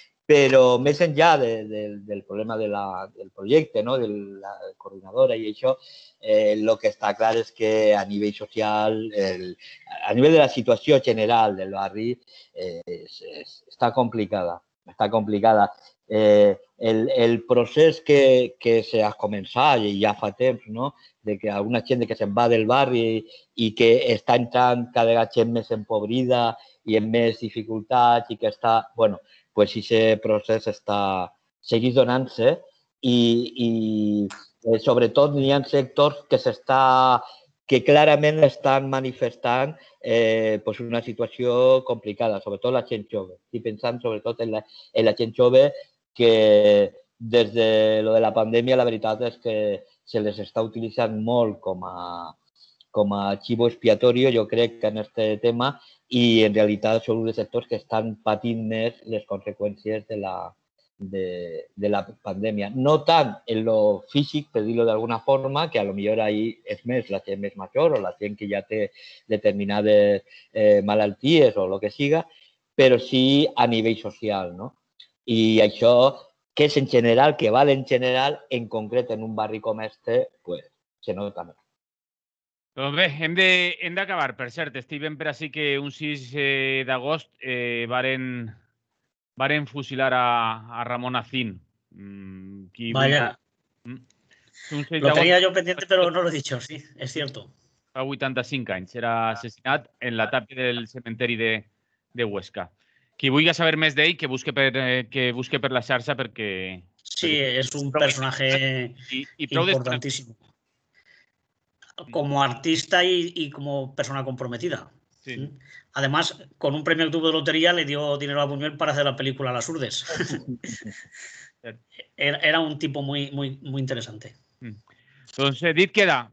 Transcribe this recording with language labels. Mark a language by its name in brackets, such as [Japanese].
[Catalan] Però més enllà del problema del projecte, no? De la coordinadora i això, el que està clar és que a nivell social, a nivell de la situació general del barri, està complicada. Està complicada. El procés que se ha començat ja fa temps, no? De que alguna gent que se'n va del barri i que està entrant cada vegada gent més empobrida i amb més dificultats i que està... [Spanish] Bueno, pues ese proceso está seguís donándose y sobre todo ni en sectores que claramente están manifestando pues una situación complicada, sobre todo [Catalan] la gent jove. [Spanish] Estoy pensando sobre todo en [Catalan] la gent jove, [Spanish] que desde lo de la pandemia la verdad es que se les está utilizando [Catalan] molt com a [Spanish] chivo expiatorio, yo creo que en este tema, y en realidad son [Catalan] uns sectors que estan patint més les conseqüències de la pandèmia. No tant en lo físic, per dir-ho d'alguna forma, que a lo millor ahí és més la gent més major o la gent que ja té determinades malalties o lo que siga, però sí a nivell social, no? I això, que és en general, que val en general, en concret en un barri com este, pues se nota més. Doncs bé, hem d'acabar. Per cert, estic ben per ací que un 6 d'agost varen fusilar a Ramon Acín. Vaja. Lo tenia jo pendiente, però no l'he dit, sí, és cert. Fa 85 anys, era assassinat en la tàpia del cementeri de Huesca. Qui vulgui saber més d'ell, que busque per la xarxa, perquè... Sí, és un personatge importantíssim. [Spanish] Como artista y como persona comprometida. Sí. Además, con un premio que tuvo de lotería, le dio dinero a Buñuel para hacer la película Las Urdes. Era un tipo muy, muy, muy interesante. [Catalan] Entonces, dit queda.